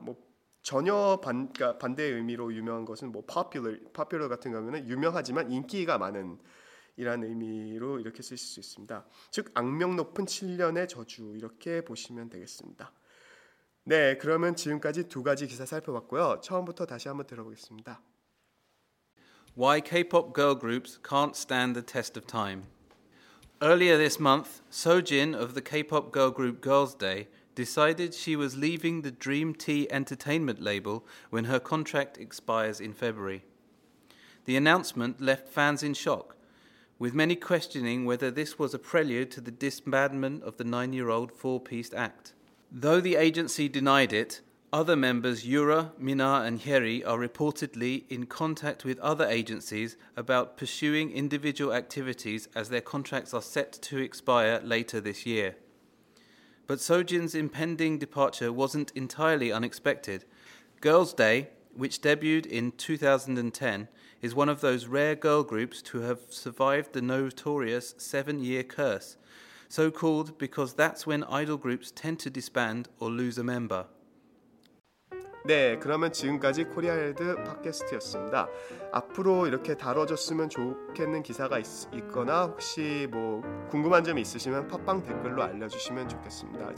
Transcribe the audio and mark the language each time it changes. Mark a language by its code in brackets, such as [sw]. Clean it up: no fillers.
[ko] 뭐 전혀 그러니까 반대 의미로 유명한 것은 뭐 popular 같은 경우는 유명하지만 인기가 많은 이란 의미로 이렇게 쓰실 수 있습니다. 즉 악명 높은 7년의 저주 이렇게 보시면 되겠습니다. 네, 그러면 지금까지 두 가지 기사 살펴봤고요. 처음부터 다시 한번 들어보겠습니다. [en] Why K-pop girl groups can't stand the test of time. Earlier this month, Sojin of the K-pop girl group Girls' Day decided she was leaving the Dream T Entertainment label when her contract expires in February. The announcement left fans in shock, with many questioning whether this was a prelude to the disbandment of the 9-year-old four-piece act. Though the agency denied it, other members Yura, Mina and Hyeri are reportedly in contact with other agencies about pursuing individual activities as their contracts are set to expire later this year. But Sojin's impending departure wasn't entirely unexpected. Girls' Day, which debuted in 2010, is one of those rare girl groups to have survived the notorious 7-year curse, so-called because that's when idol groups tend to disband or lose a member. [ko] 네, 그러면 지금까지 코리아 헤드 팟캐스트였습니다. 앞으로 이렇게 다뤄졌으면 좋겠는 기사가 있거나 혹시 뭐 궁금한 점이 있으시면 팟빵 댓글로 알려주시면 좋겠습니다.